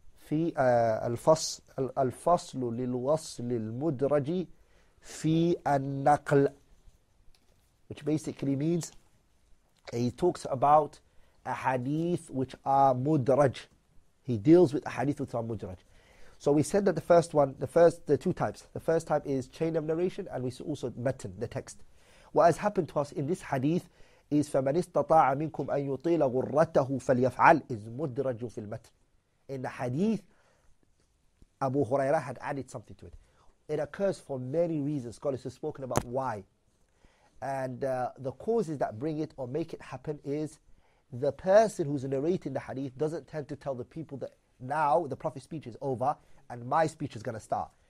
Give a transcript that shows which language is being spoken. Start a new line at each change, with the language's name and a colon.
Arabic: في الفصل للوصل المدرج في النقل,
English: which basically means he talks about a hadith which are mudraj. He deals with a hadith which are mudraj. So we said that the first one, the two types. The first type is chain of narration, and we also matn, the text. What has happened to us in this hadith is
Arabic: فمن استطاع منكم أن يطيل غرته فليفعل
English: is
Arabic: مدرج في المتن.
English: In the hadith, Abu Hurairah had added something to it. It occurs for many reasons. Scholars have spoken about why. And the causes that bring it or make it happen is the person who's narrating the hadith doesn't tend to tell the people that now the Prophet's speech is over and my speech is going to start.